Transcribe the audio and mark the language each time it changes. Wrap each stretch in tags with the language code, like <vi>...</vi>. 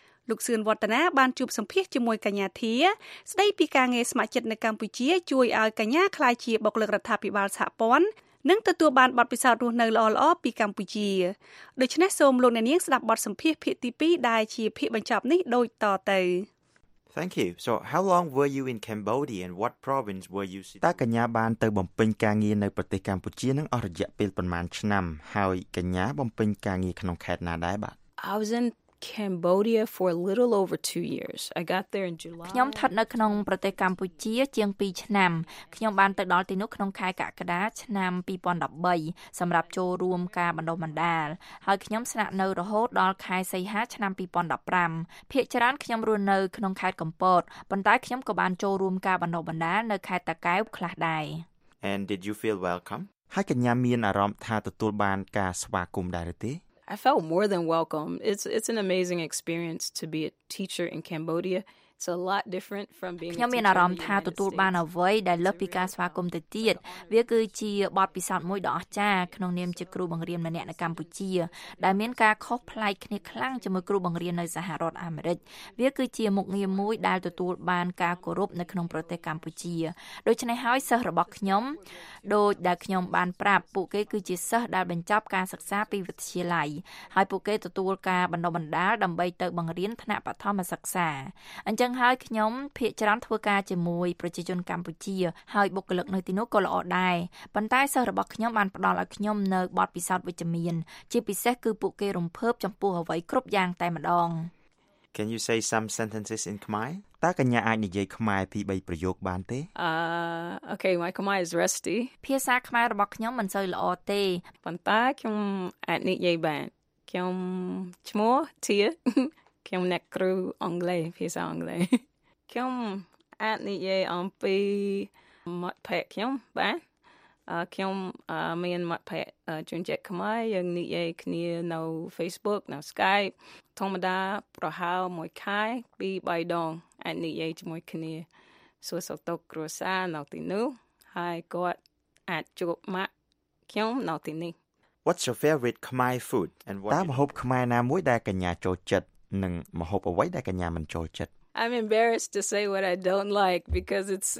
<km>លោកសឿនវឌ្ឍនាបានជួបសម្ភាសជាមួយកញ្ញាធាស្ដីពីការងារស្ម័គ្រចិត្តនៅកម្ពុជាជួយឲ្យកញ្ញាក្លាយជាបុគ្គលិករដ្ឋាភិបាលសហព័ន្ធនឹងទទួលបានបទពិសោធន៍រស់នៅល្អៗពីកម្ពុជាដូច្នេះសូមលោកអ្នកនាងស្ដាប់បទសម្ភាសន៍ភាគទី2ដែលជាភាគបញ្ចប់នេះដូចតទៅ</km> <en>Thank you. So how long were you in Cambodia and what province were you</en> <km>តើកញ្ញាបានទៅបំពេញការងារនៅប្រទេសកម្ពុជានឹងអស់រយៈពេលប្រមាណឆ្នាំហើយកញ្ញាបំពេញការងារក្នុងខេត្តណាដែរបាទ</km> <en>I was in Cambodia for a little over 2 years. I got there in July.</en> <km>ខ្ញុំស្ថិតនៅក្នុងប្រទេសកម្ពុជាជាង2ឆ្នាំ។ខ្ញុំបានទៅដល់ទីនោះក្នុងខែកក្កដាឆ្នាំ2013សម្រាប់ចូលរួមការបណ្ដុះបណ្ដាល។ហើយខ្ញុំស្នាក់នៅរហូតដល់ខែសីហាឆ្នាំ2015។ភាគច្រើនខ្ញុំរស់នៅក្នុងខេត្តកំពត។ប៉ុន្តែខ្ញុំក៏បានចូលរួមការបណ្ដុះបណ្ដាលនៅខេត្តតាកែវខ្លះដែរ</km> <en>។ And did you feel welcome?</en> <km>ហើយកញ្ញាមានអារម្មណ៍ថាទទួលបានការស្វាគមន៍ដែរឬទេ?</km> <en>I felt more than welcome. It's an amazing experience to be a teacher in Cambodia. It's a lot different from being</en> <km>ខ្ញុំមានអារម្មណ៍ថាទទួលបានអ្វីដែលលើសពីការស្វាគមន៍ទៅទៀតវាគឺជាបទពិសោធន៍មួយដ៏អស្ចារ្យក្នុងនាមជាគ្រូបង្រៀនម្នាក់នៅកម្ពុជាដែលមានការខុសប្លែកគ្នាខ្លាំងជាមួយគ្រូបង្រៀននៅសហរដ្ឋអាមេរិកវាគឺជាមុខងារមួយដែលទទួលបានការគោរពនៅក្នុងប្រទេសកម្ពុជាដូច្នេះហើយសិស្សរបស់ខ្ញុំដូចដែលខ្ញុំបានប្រាប់ពួកគេគឺជាសិស្សដែលបញ្ចប់ការសិក្សាពីវិទ្យាល័យហើយពួកគេទទួលការបណ្ដុះបណ្ដាលដើម្បីទៅបង្រៀនថ្នាក់បឋមសិក្សា ចឹងហើយខ្ញុំភាគច្រើនធ្វើការជាមួយប្រជាជនកម្ពុជាហើយបុគ្គលិកនៅទីនោះក៏ល្អដែរប៉ុន្តែសិស្សរបស់ខ្ញុំបានផ្ដល់ឲ្យខ្ញុំនៅបទពិសោធន៍វិជ្ជមានជាពិសេសគឺពួកគេរំភើបចំពោះអ្វីគ្រប់យ៉ាងតែម្ដង</km> <en>Can you say some sentences in Khmer?</en> <km>តើកញ្ញាអាចនិយាយខ្មែរពីរបីប្រយោគបានទេ?</km> <en>Okay, my Khmer is rusty.</en> <km>ភាសាខ្មែររបស់ខ្ញុំមិនសូវល្អទេ ប៉ុន្តែខ្ញុំអាចនិយាយបានខ្ញុំឈ្មោះធាខ្ញុំអ្នកគ្រូអង់គ្លេសភាសាអង់គ្លេសខ្ញុំអាចនិយាយអំពី មាត់ភាសាខ្ញុំបាទខ្ញុំមានមាត់ភាសាជួនជាខ្មែរយើងនិយាយគ្នានៅ Facebook នៅ Skype ធម្មតាប្រហែលមួយខែពីរបីដងអាចនិយាយជាមួយគ្នាសួរសុខទុក្ខគ្រួសារនៅទីនោះហើយគាត់អាចជួបមកខ្ញុំនៅទីនេះ</km> <en>What's your favorite Khmer food and what</en> <km>តើម្ហូបខ្មែរណាមួយដែលកញ្ញាចូលចិត្តនឹងម្ហូបអ្វីដែលកញ្ញាមិនចូលចិត្ត</km> <en>I'm embarrassed to say what I don't like because it's</en>